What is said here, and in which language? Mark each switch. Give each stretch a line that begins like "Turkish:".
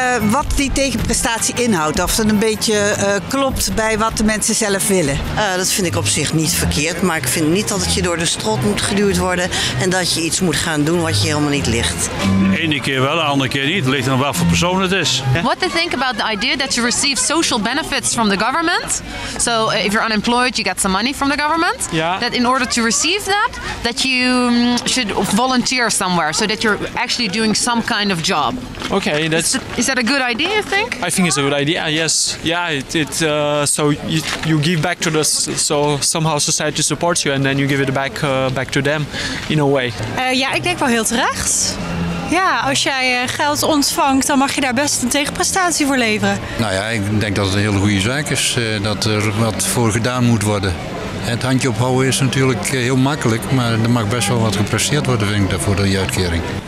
Dutch: Wat die tegenprestatie inhoudt. Of dat een beetje klopt bij wat de mensen zelf willen. Dat vind ik op zich niet verkeerd. Maar ik vind niet dat het je door de strot moet geduwd worden. En dat je iets moet gaan doen wat je helemaal niet ligt. De ene keer wel, de andere keer niet. Het ligt aan wat voor persoon het is.
English: What they think about the idea that you receive social benefits from the government. So if you're unemployed, you get some money from the government. Yeah. That in order to receive that, that you should volunteer somewhere. So that you're actually doing some kind of job. Okay, that's... Is that a good idea, you think? I think it's a good idea, yes. Yeah, you give back to this, so somehow society supports you and then you give it back to them, in a way.
Dutch: Ja, ik denk wel heel terecht. Ja, als jij geld ontvangt, dan mag je daar best een tegenprestatie voor leveren. Nou ja, ik denk dat het een hele goede zaak is, dat er wat voor gedaan moet worden. Het handje ophouden is natuurlijk heel makkelijk, maar er mag best wel wat gepresteerd worden, vind ik, voor de uitkering.